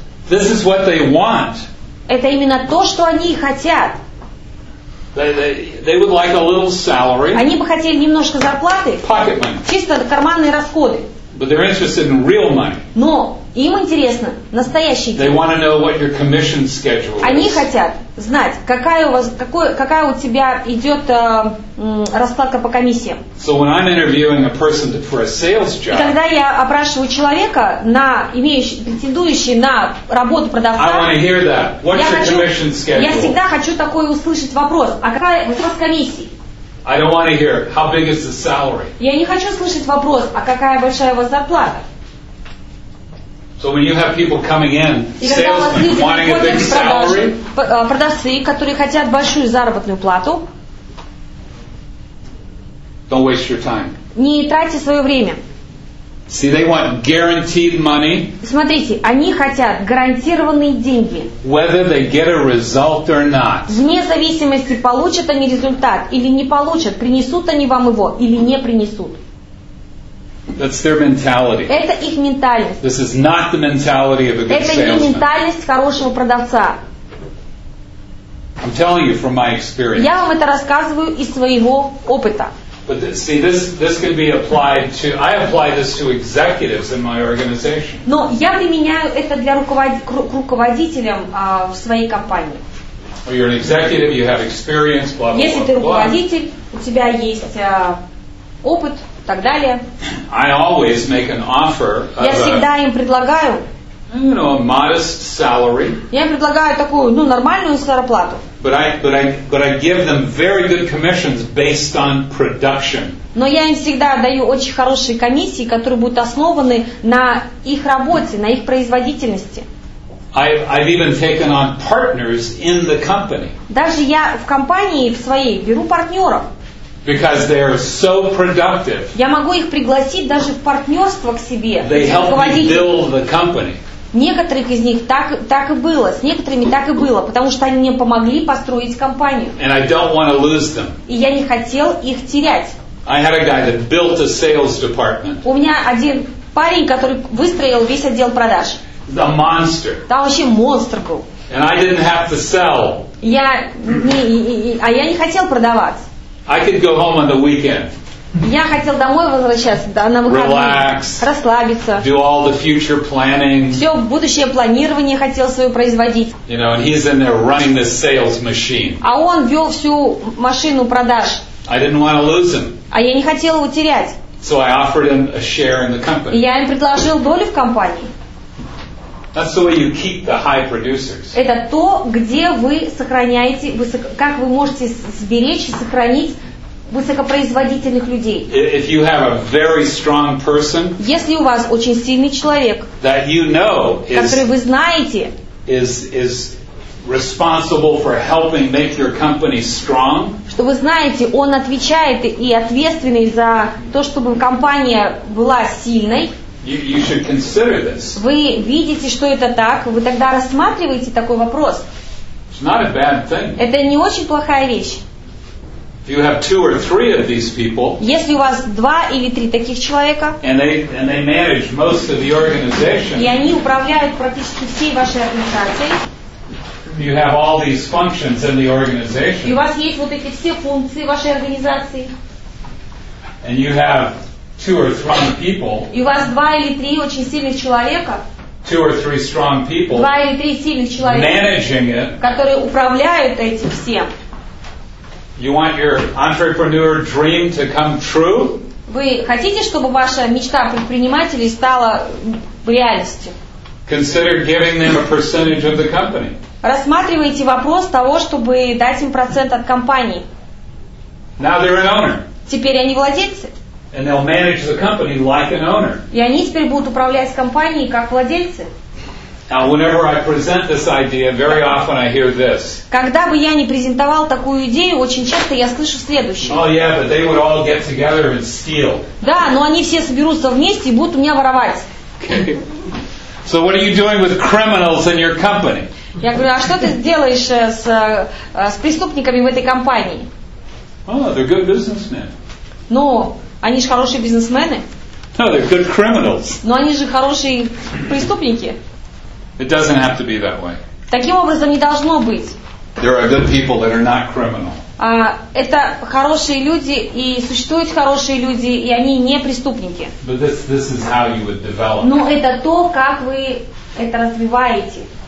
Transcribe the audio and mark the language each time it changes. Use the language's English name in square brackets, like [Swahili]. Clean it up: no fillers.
[English] this is what they want. [Russian] Это именно то, что они хотят. [English] They would like a little salary, [Russian] они бы хотели немножко зарплаты, [English] pocket money, [Russian] чисто карманные расходы. [English] But they're interested in real money. [Russian] Но им интересно настоящие деньги. [English] They want to know what your commission schedule is. [Russian] Они хотят знать, какая у тебя идет расплата по комиссиям. [English] So when I'm interviewing a person for a sales job, [Russian] и когда я опрашиваю человека, претендующий на работу продавца, [English] I want to hear that. What's your commission schedule? [Russian] Я всегда хочу такой услышать вопрос. А какая вопрос комиссии? [English] I don't want to hear how big is the salary. [Russian] Я не хочу слышать вопрос, а какая большая у вас зарплата? [English] So when you have people coming in, salesmen wanting a big salary, [Russian] продавцы, которые хотят большую заработную плату, [English] don't waste your time. [Russian] Не тратьте свое время. [English] See, they want guaranteed money. [Russian] Смотрите, они хотят гарантированные деньги. [English] Whether they get a result or not. [Russian] Вне зависимости, получат они результат или не получат, принесут они вам его или не принесут. [English] That's their mentality. [Russian] Это их ментальность. [English] This is not the mentality of a good salesman. [Russian] Это не ментальность хорошего продавца. [English] I'm telling you from my experience. [Russian] Я вам это рассказываю из своего опыта. [English] But this can be applied to. I apply this to executives in my organization. [Russian] Но я применяю это для руководителям в своей компании. [English] Well, you're an executive. You have experience. Blah, blah, blah. [Russian] Если ты руководитель, у тебя есть опыт, и так далее. [English] I always make an offer. [Russian] Я всегда им предлагаю. [English] You know, a modest salary. [Russian] Я предлагаю такую, нормальную зарплату. [English] But I give them very good commissions based on production. [Russian] Но я им всегда даю очень хорошие комиссии, которые будут основаны на их работе, на их производительности. [English] I've even taken on partners in the company. [Russian] Даже я в компании в своей беру партнеров. [English] Because they are so productive. [Russian] Я могу их пригласить даже в партнерство к себе. [English] They help me build the company. [Russian] Некоторых из них так и было, с некоторыми так и было, потому что они мне помогли построить компанию. [English] And I don't want to lose them. [Russian] И я не хотел их терять. [English] I had a guy that built a sales department. [Russian] У меня один парень, который выстроил весь отдел продаж. [English] The monster. [Russian] Там вообще монстр был. [English] And I didn't have to sell. [Russian] Я не хотел продавать. [English] I could go home on the weekend. [Russian] Я хотел домой возвращаться, да, на выходные. [English] Relax, [Russian] расслабиться. [English] Do all the future planning. [Russian] Все будущее планирование хотел свое производить. [English] You know, and he's in there running the sales machine. [Russian] А он вел всю машину продаж. [English] I didn't want to lose him. [Russian] А я не хотел его терять. [English] So I offered him a share in the company. [Russian] И я им предложил долю в компании. [English] That's the way you keep the high producers. [Russian] Это то, где вы сохраняете, как вы можете сберечь и сохранить высокопроизводительных людей. [English] If you have a very strong person, [Russian] если у вас очень сильный человек, [English] that you know is, [Russian] который вы знаете, [English] is responsible for helping make your company strong, [Russian] что вы знаете, он отвечает и ответственный за то, чтобы компания была сильной, [English] you should consider this. [Russian] Вы видите, что это так, вы тогда рассматриваете такой вопрос. [English] It's not a bad thing. [Russian] Это не очень плохая вещь. [English] If you have two or three of these people, [Russian] если у вас два или три таких человека, [English] and they manage most of the organization, [Russian] и они управляют практически всей вашей организацией, [English] you have all these functions in the organization, [Russian] и у вас есть вот эти все функции вашей организации, [English] and you have two or three people, [Russian] и у вас два или три очень сильных человека, [English] two or three strong people, [Russian] два или три сильных человека, [English] managing it, [Russian] которые управляют этим всем. [English] You want your entrepreneur dream to come true? [Russian] Вы хотите, чтобы ваша мечта предпринимателя стала реальностью? [English] Consider giving them a percentage of the company. [Russian] Рассматривайте вопрос того, чтобы дать им процент от компании. [English] Now they're an owner. [Russian] Теперь они владельцы. [English] And they'll manage the company like an owner. [Russian] И они теперь будут управлять компанией как владельцы. [English] Now, whenever I present this idea, very often I hear this. [Russian] Когда бы я не презентовал такую идею, очень часто я слышу следующее. [English] Oh yeah, but they would all get together and steal. [Russian] Да, но они все соберутся вместе и будут у меня воровать. [English] Okay. So what are you doing with criminals in your company? [Russian] Я говорю, а что ты делаешь с преступниками в этой компании? [English] Oh, they're good businessmen. [Russian] Ну, они же хорошие бизнесмены. [English] No, they're good criminals. [Russian] Но они же хорошие преступники. [English] It doesn't have to be that way. [Russian] Таким образом не должно быть. [English] There are good people that are not criminal. [Russian] Это хорошие люди, и существуют хорошие люди, и они не преступники. [English] But this is how you would develop. [Russian] Но это то, как вы это развиваете.